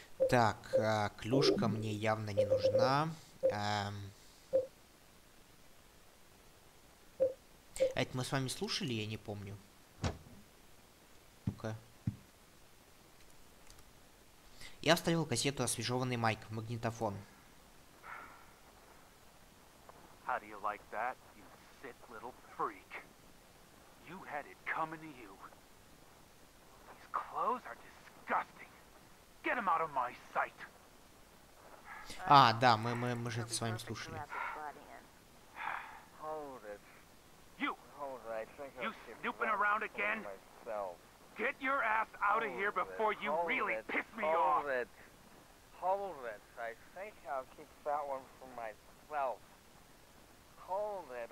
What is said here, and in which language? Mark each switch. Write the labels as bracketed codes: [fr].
[ru] Так, клюшка мне явно не нужна. Это мы с вами слушали, я не помню. Ну-ка. Я вставил кассету освежеванный майк в магнитофон. [en] How do you like that, you sick little freak? You had it coming to you. These clothes are disgusting. Get him out of my sight. [ru] А, да, мы же это с вами слушали. [en] Hold it. You. Hold right, you snooping around again? Get your ass out of here before you really piss me off. Hold it. Hold it. I think I'll keep that one for myself. Hold it.